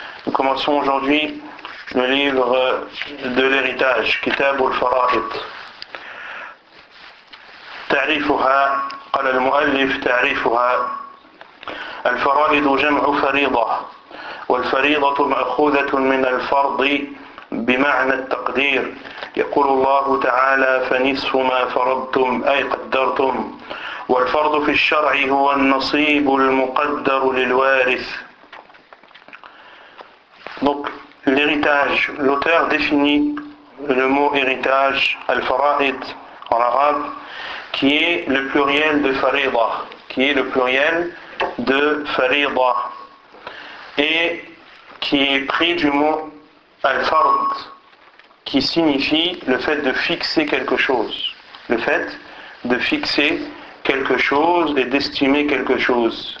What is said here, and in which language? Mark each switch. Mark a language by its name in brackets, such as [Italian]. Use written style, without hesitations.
[French] Nous commençons aujourd'hui le livre de l'héritage, Kitab Al-Fara'id. [Arabic] تعريفها قال المؤلف تعريفها الفرائض جمع فريضة والفريضة مأخوذة من الفرض بمعنى التقدير يقول الله تعالى فنصف ما فرضتم أي قدرتم والفرض في الشرع هو النصيب المقدر للوارث. [French] Donc l'héritage, l'auteur définit le mot héritage الفرائض en arabe, qui est le pluriel de farida, qui est le pluriel de farida, et qui est pris du mot al-fard, qui signifie le fait de fixer quelque chose, le fait de fixer quelque chose et d'estimer quelque chose.